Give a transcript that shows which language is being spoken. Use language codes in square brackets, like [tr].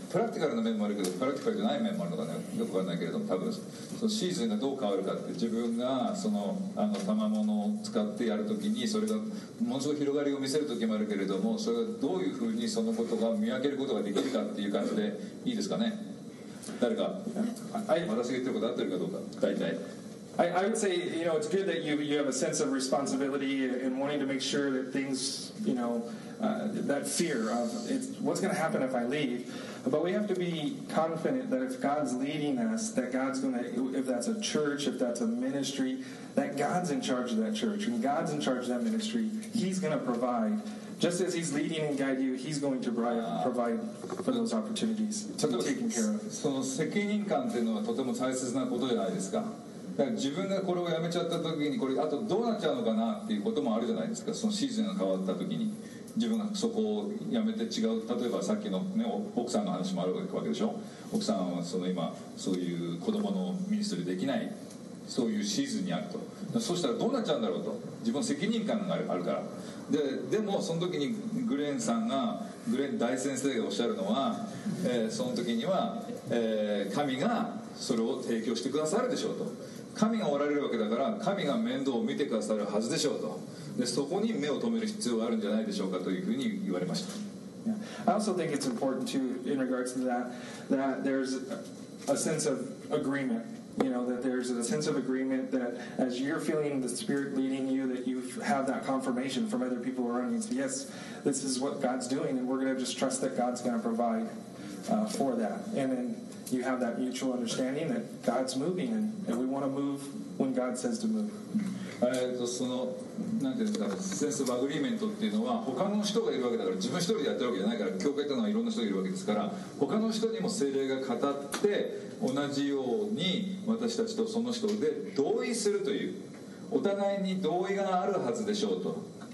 [ja] プラクティカルな面もあるけど、プラクティカルじゃない面もあるのかね、よく分からないけれども、多分そのシーズンがどう変わるかって、自分がその賜物を使ってやるときに、それがものすごい広がりを見せるときもあるけれども、それがどういうふうにそのことが見分けることができるかっていう感じでいいですかね。誰か、はい、私が言ってること合ってるかどうか。大体 [en] I would say, you know, it's good that you have a sense of responsibility and wanting to make sure that things, you know, that fear of it's, what's going to happen if I leave. But we have to be confident that if God's leading us, that God's going to, if that's a church, if that's a ministry, that God's in charge of that church and God's in charge of that ministry. He's going to provide. Just as He's leading and guide you, He's going to provide for those opportunities to be taken care of. [ja] So, 責任感というのはとても大切なことじゃないですか。自分がこれをやめちゃった時に、これあとどうなっちゃうのかなっていうこともあるじゃないですか。そのシーズンが変わった時に自分がそこをやめて違う、例えばさっきの、ね、奥さんの話もあるわけでしょ。奥さんはその今そういう子供のミニストリーできない、そういうシーズンにあると、そうしたらどうなっちゃうんだろうと、自分責任感があるから。でもその時にグレンさんが、グレン大先生がおっしゃるのは、その時には、神がそれを提供してくださるでしょうと。神がおられるわけだから、神が面倒を見てくださるはずでしょうと。でそこに目を留める必要があるんじゃないでしょうかというふうに言われました。 [en] Yeah. I also think it's important too in regards to that there's a sense of agreement, you know, that there's a sense of agreement that as you're feeling the Spirit leading you, that you have that confirmation from other people around you, say, yes, this is what God's doing, and we're going to just trust that God's going to provide for that, and thenyou have that mutual understanding that God's moving and we want to move when God says to move. [ja] その、なんていうんですか、センスアグリーメントっていうのは、他の人がいるわけだから、自分一人でやってるわけじゃないから、教会というのはいろんな人がいるわけですから、他の人にも聖霊が語って同じように私たちとその人で同意するという、お互いに同意があるはずでしょうと。